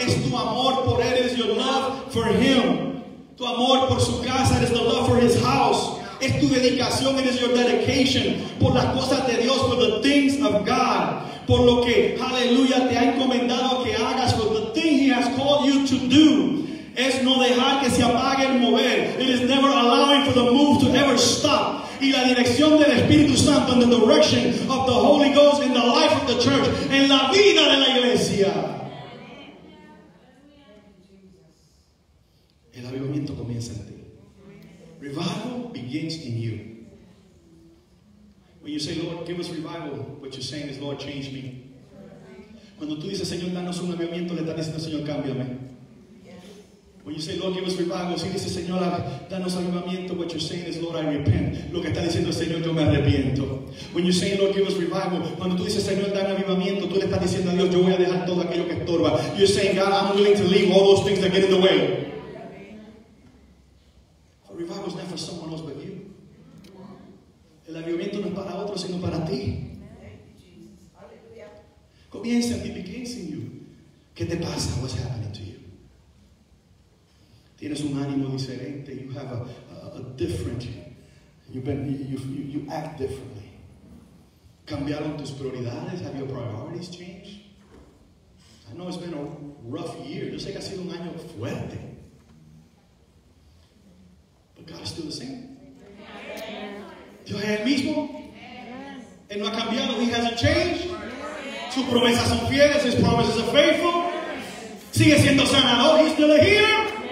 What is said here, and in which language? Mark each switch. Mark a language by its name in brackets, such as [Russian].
[Spanish] Es tu amor por él, es [English] your love for him. [Spanish] Tu amor por su casa, es [English] the love for his house. [Spanish] Es tu dedicación, [English] it is your dedication. [Spanish] Por las cosas de Dios, [English] for the things of God. [Spanish] Por lo que, aleluya, te ha encomendado que hagas, [English] for the thing he has called you to do. [Spanish] Es no dejar que se apague el mover. [English] It is never allowing for the move to ever stop. [Spanish] Y la dirección del Espíritu Santo, [English] and the direction of the Holy Ghost in the life of the church, [Spanish] en la vida de la iglesia. El avivamiento comienza en ti. [English] Revival begins in you. When you say, Lord, give us revival, what you're saying is, Lord, change me. [Spanish] Cuando tú dices, Señor, danos un avivamiento, le estás diciendo, Señor, cámbiame. [English] When you say, Lord, give us revival, [Spanish] si dices, Señor, danos avivamiento, [English] what you're saying is, Lord, I repent. [Spanish] Lo que está diciendo el Señor, yo me arrepiento. [English] When you say, Lord, give us revival, [Spanish] cuando tú dices, Señor, dan avivamiento, tú le estás diciendo a Dios, yo voy a dejar todo aquello que estorba. [English] You're saying, God, I'm willing to leave all those things that get in the way. For revival is not for someone else but you. [Spanish] El avivamiento no es para otros, sino para ti. Comienza, [English] it begins in you. [Spanish] ¿Qué te pasa? [English] What's happening to you? [Spanish] Tienes un ánimo diferente. [English] You have a different. You act differently. [Spanish] ¿Cambiaron tus prioridades? [English] Have your priorities changed? I know it's been a rough year. [Spanish] Yo sé que ha sido un año fuerte. [English] But God is still the same. [Spanish] Dios es el mismo. Él no ha cambiado. [English] He hasn't changed. [Spanish] Sus promesas son fieles. [English] His promises are faithful. [Spanish] Sigue siendo sanador. [English] He's still a healer.